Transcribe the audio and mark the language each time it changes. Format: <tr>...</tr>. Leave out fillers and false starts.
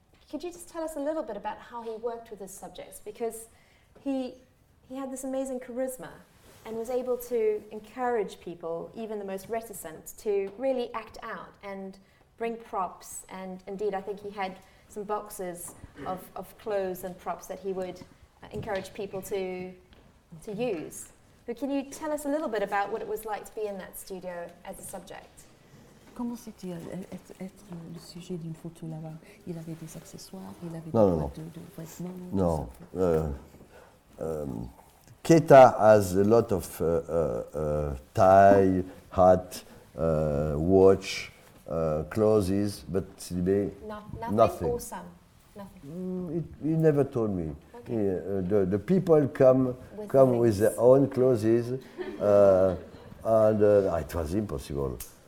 <en>Could you just tell us a little bit about how he worked with his subjects? Because he had this amazing charisma and was able to encourage people, even the most reticent, to really act out and bring props. And indeed, I think he had some boxes of clothes and props that he would encourage people to use. But can you tell us a little bit about what it was like to be in that studio as a subject?</en> <fr>Comment c'était être le sujet d'une photo là-bas? Il avait des accessoires, il avait de vêtements. Non.</fr> <en>Keita has a lot of tie, hat, watch, clothes, but nothing. Nothing. Or some. Nothing. He never told me. Okay. The people come with their own clothes, and it was impossible.</en>